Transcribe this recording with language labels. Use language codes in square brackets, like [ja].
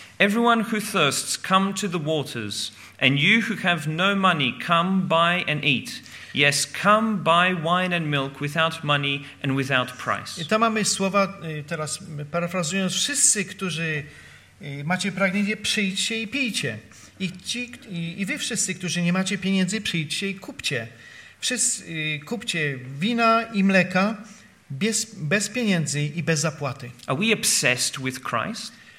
[en] Everyone who thirsts, come to the waters, and you who have no money, come buy and eat. Yes, come buy wine and milk without money and without price. [pl] I tam mamy słowa, teraz parafrazując, wszyscy, którzy macie pragnienie, przyjdźcie i pijcie. I wy wszyscy, którzy nie macie pieniędzy, przyjdźcie i kupcie. Kupcie wina i mleka bez pieniędzy i bez zapłaty. [en] Are we obsessed with Christ?